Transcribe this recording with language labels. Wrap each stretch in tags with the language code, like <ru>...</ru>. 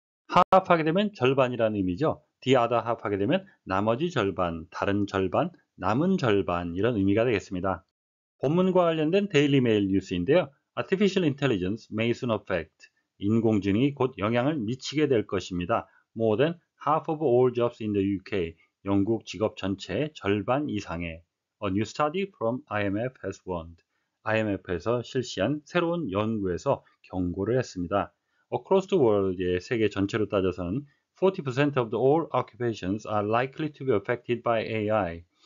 <ko>Half 하게 되면 절반이라는 의미죠.</ko> <en>The other half</en> <ko>하게 되면 나머지 절반, 다른 절반, 남은 절반 이런 의미가 되겠습니다. 본문과 관련된 데일리 메일 뉴스인데요.</ko> <en>Artificial intelligence may soon affect.</en> <ko>인공지능이 곧 영향을 미치게 될 것입니다.</ko> <en>More than half of all jobs in the UK.</en> <ko>영국 직업 전체의 절반 이상의.</ko> <en>A new study from IMF has warned.</en> <ko>IMF에서 실시한 새로운 연구에서 경고를 했습니다.</ko> <en>Across the world의</en> <ko>세계 전체로 따져서는</ko> <en>40% of all occupations are likely to be affected by AI.</en>